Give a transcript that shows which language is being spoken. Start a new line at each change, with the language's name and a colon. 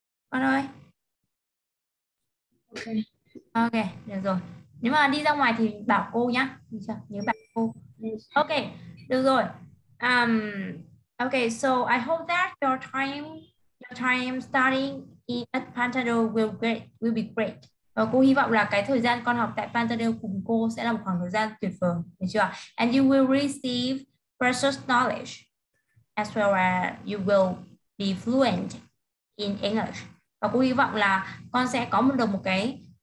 Vietnamese: Con ơi.
English: Ok,
Vietnamese: được rồi. Nếu mà đi ra ngoài thì bảo cô nhá. Được chưa? Nhớ bảo cô. Ok, được rồi.
English: Ok, so I hope that your time studying at Pantado will be great.
Vietnamese: Và cô hy vọng là cái thời gian con học tại Pantado cùng cô sẽ là một khoảng thời gian tuyệt vời, được chưa?
English: And you will receive precious knowledge as well as you will be fluent in English.
Vietnamese: Và cô hy vọng là con sẽ có được một cái